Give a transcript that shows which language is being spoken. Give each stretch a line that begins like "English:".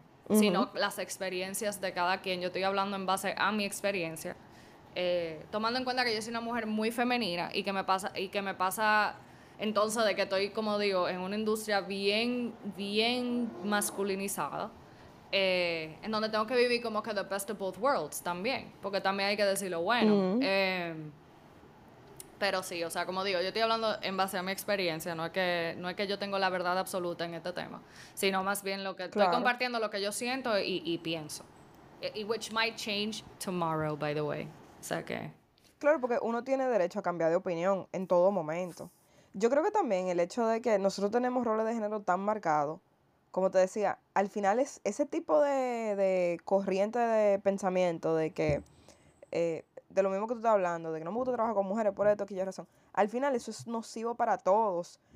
Spanish: sino las experiencias de cada quien. Yo estoy hablando en base a mi experiencia, tomando en cuenta que yo soy una mujer muy femenina y que me pasa, entonces de que estoy, como digo, en una industria bien, bien masculinizada, en donde tengo que vivir como que
English: the best of both worlds
Spanish: también, porque también hay que decirlo bueno. Pero sí, o sea, como digo, yo estoy hablando en base a mi experiencia, no es que yo tengo la verdad absoluta en este tema, sino más bien lo que estoy Claro. compartiendo, lo que yo siento y pienso. Y
English: which might change tomorrow, by the way.
Spanish: O sea que. Claro, porque uno tiene derecho a cambiar de opinión en todo momento. Yo creo que también el hecho de que nosotros tenemos roles de género tan marcados, como te decía, al final es ese tipo de corriente de pensamiento de que, de lo mismo que tú estás hablando, de que no me gusta trabajar con mujeres por esto, aquella razón, al final eso es nocivo para todos.